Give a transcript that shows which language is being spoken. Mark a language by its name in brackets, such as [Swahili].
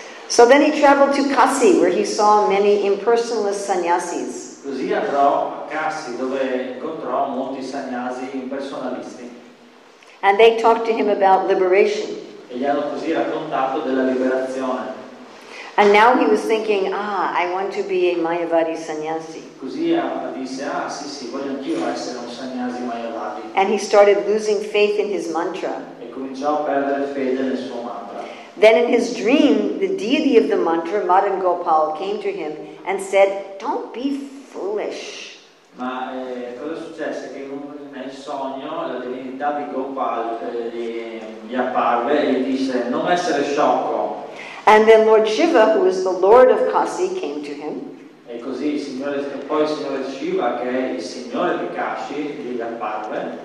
[English] So then he traveled to Kasi, where he saw many impersonalist sannyasis. [Italian] Così andò a Kasi, dove incontrò molti sannyasi impersonalisti. [English] And they talked to him about liberation. [Italian] E gli hanno così raccontato della liberazione. [English] And now he was thinking, I want to be a Mayavadi sannyasi. [Italian] Così disse, sì, voglio anch'io essere un sannyasi Mayavadi. [English] And he started losing faith in his mantra. [Italian] E cominciò a perdere fede nel suo mantra. [English] Then in his dream, the deity of the mantra, Madan Gopal, came to him and said, don't be foolish. [Italian] Ma cosa successe? Che nel sogno la divinità di Gopal gli apparve e gli disse, non essere sciocco. [English] And then Lord Shiva, who is the Lord of Kasi, came to him. [Italian] E così il signore Shiva, che è il signore di Kashi, gli apparve.